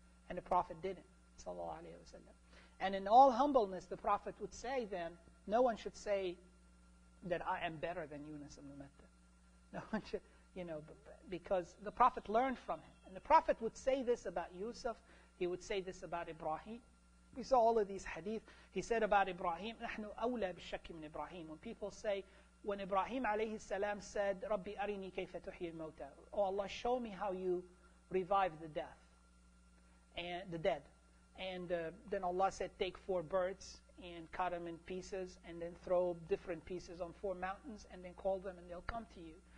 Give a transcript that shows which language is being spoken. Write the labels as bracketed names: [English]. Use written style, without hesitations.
[English] And the Prophet didn't, sallallahu alayhi wa sallam. And in all humbleness, the Prophet would say then, no one should say that I am better than Yunus ibn Matta. No one should, you know, because the Prophet learned from him. And the Prophet would say this about Yusuf, he would say this about Ibrahim. We saw all of these hadith. He said about Ibrahim, [Arabic] نَحْنُ أَوْلَى بِالشَّكِّ مِنْ إِبْرَاهِيمُ. [English] When people say, when Ibrahim alayhi salam said, [Arabic] Rabbi arini kayfa tuhyi al-mawta. [English] Oh Allah, show me how you revive the death and the dead. And then Allah said, take four birds and cut them in pieces and then throw different pieces on four mountains and then call them and they'll come to you.